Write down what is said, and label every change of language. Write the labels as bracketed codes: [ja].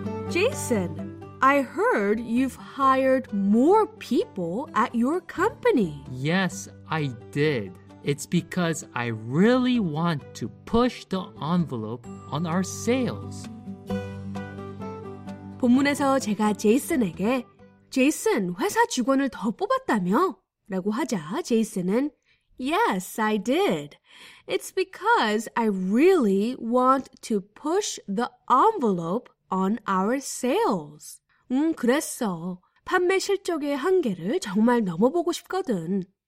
[en] Jason, I heard you've hired more people at your company. Yes, I did. It's because I really want to push the envelope on our sales. [ko] 본문에서 제가 제이슨에게 제이슨, 회사 직원을 더 뽑았다며? 라고 하자 제이슨은 [en] Yes, I did. It's because I really want to push the envelope on our sales. [ko] 그랬어. 판매 실적의 한계를 정말 넘어보고 싶거든.